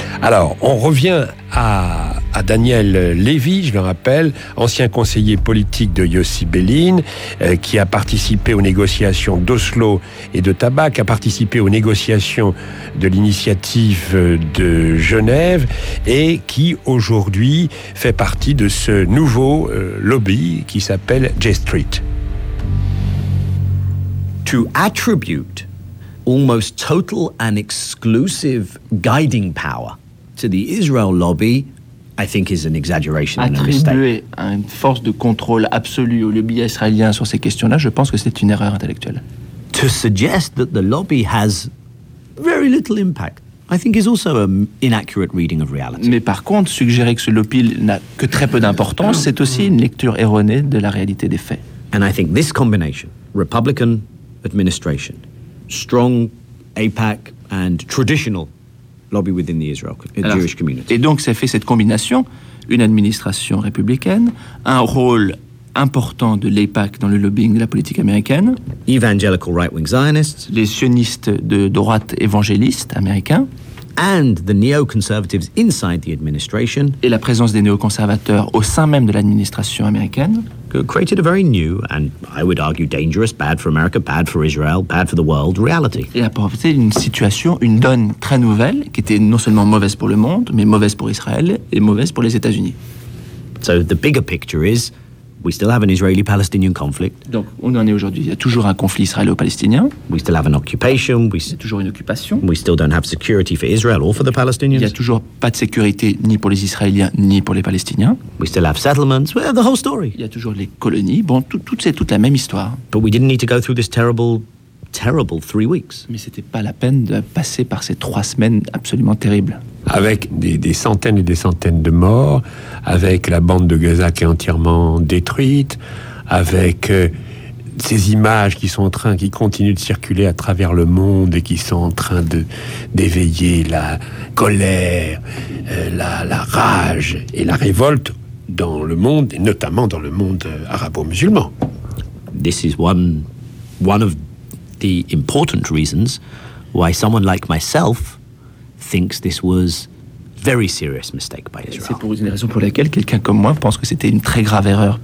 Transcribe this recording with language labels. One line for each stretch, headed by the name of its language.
French: Alors, on revient à Daniel Lévy, je le rappelle, ancien conseiller politique de Yossi Béline, qui a participé aux négociations d'Oslo et de Tabac, a participé aux négociations de l'initiative de Genève, et qui aujourd'hui fait partie de ce nouveau lobby qui s'appelle J Street.
English: To attribute almost total and exclusive guiding power to the Israel lobby, I think is an exaggeration and a mistake.
French: Attribuer une force de contrôle absolue au lobby israélien sur ces questions-là, je pense que c'est une erreur intellectuelle.
English: To suggest that the lobby has very little impact, I think is also an inaccurate reading of reality.
French: Mais par contre, suggérer que ce lobby n'a que très peu d'importance, c'est aussi une lecture erronée de la réalité des faits.
English: And I think this combination, Republican administration, strong AIPAC and traditional lobby within the Israel, the Jewish community.
French: Et donc, ça fait cette combination, une administration républicaine, un rôle important de l'AIPAC dans le lobbying de la politique américaine,
English: evangelical right-wing Zionists,
French: les sionistes de droite évangélistes américains,
English: and the neoconservatives inside the administration,
French: et la présence des néoconservateurs au sein même de l'administration américaine,
English: created a very new and, I would argue, dangerous, bad for America, bad for Israel, bad for the world reality.
French: Et a profité d'une situation, une donne très nouvelle, qui était non seulement mauvaise pour le monde, mais mauvaise pour Israël et mauvaise pour les États-Unis.
English: So the bigger picture is, we still have an Israeli-Palestinian conflict.
French: Donc, on en est aujourd'hui. Il y a toujours un conflit israélo-palestinien.
English: We still have an occupation.
French: Il y a toujours une occupation.
English: We still don't have security for Israel or for the Palestinians.
French: Il y a toujours pas de sécurité ni pour les Israéliens ni pour les Palestiniens.
English: We still have settlements. We have the whole story.
French: Il y a toujours les colonies. Bon, c'est toute la même histoire.
English: But we didn't need to go through this terrible 3 weeks.
French: Mais c'était pas la peine de passer par ces 3 semaines absolument terribles. Avec des centaines et des centaines de morts, avec la bande de Gaza qui est entièrement détruite, avec ces images qui continuent de circuler à travers le monde et qui sont en train d'éveiller la colère, la rage et la révolte dans le monde, et notamment dans le monde arabo-musulman.
English: This is one of the important reasons why someone like myself thinks this was very serious mistake by Israel.
French: C'est pour une raison pour laquelle quelqu'un comme moi pense que c'était une très grave erreur